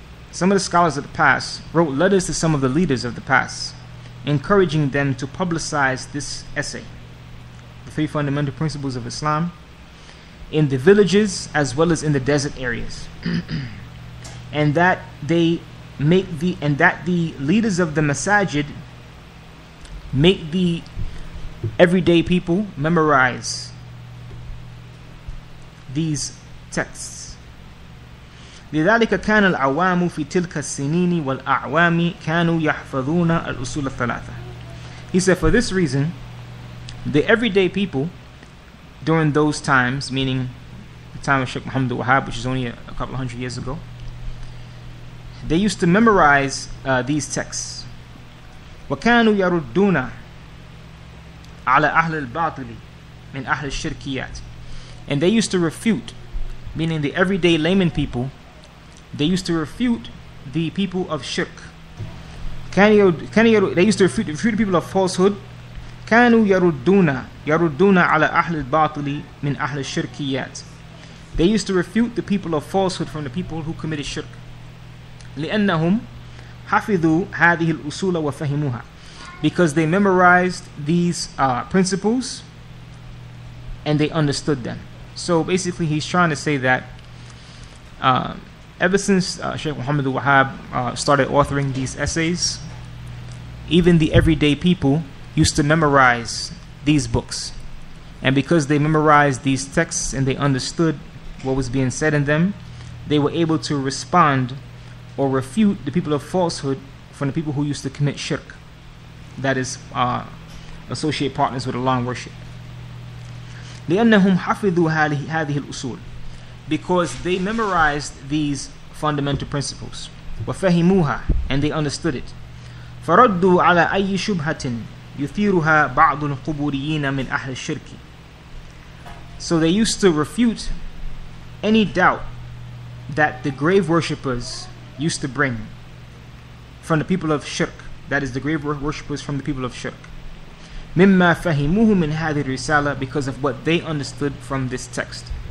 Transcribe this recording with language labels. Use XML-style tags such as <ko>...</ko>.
<en>Some of the scholars of the past wrote letters to some of the leaders of the past, encouraging them to publicize this essay, The Three Fundamental Principles of Islam, in the villages as well as in the desert areas. and that the leaders of the masajid make the everyday people memorize these texts.</en> <ar>لذلك كان العوام في تلك السنين والأعوام كانوا يحفظون الأصول الثلاثة.</ar> <en>He said, for this reason, the everyday people during those times, meaning the time of Sheikh Muhammad al-Wahhab, which is only a couple of hundred years ago, they used to memorize these texts.</en> <ar>وكانوا يردون على أهل الباطل من أهل الشركيات.</ar> <en>And they used to refute, meaning the everyday layman people, they used to refute the people of shirk. They used to refute the people of falsehood.</en> <ar>كانوا يردون على أهل الباطل من أهل الشركيات.</ar> <en>They used to refute the people of falsehood from the people who committed shirk.</en> <ar>لأنهم حفظوا هذه الأصول وفهموها.</ar> <en>Because they memorized these principles and they understood them. So basically he's trying to say that ever since Sheikh Muhammad al-Wahhab started authoring these essays, even the everyday people used to memorize these books. And because they memorized these texts and they understood what was being said in them, they were able to respond or refute the people of falsehood from the people who used to commit shirk, that is, associate partners with Allah and worship.</en> <ar>لأنهم حفظوا هذه الأصول.</ar> <en>Because they memorized these fundamental principles.</en> <ar>وفهموها,</ar> <en>and they understood it.</en> <ar>فردوا على أي شبهة يثيرها بعض القبوريين من أهل الشرك.</ar> <en>So they used to refute any doubt that the grave worshippers used to bring from the people of shirk, that is, the grave worshippers from the people of shirk.</en> <ar>مما فهموه من هذه الرسالة,</ar> <en>because of what they understood from this text.</en>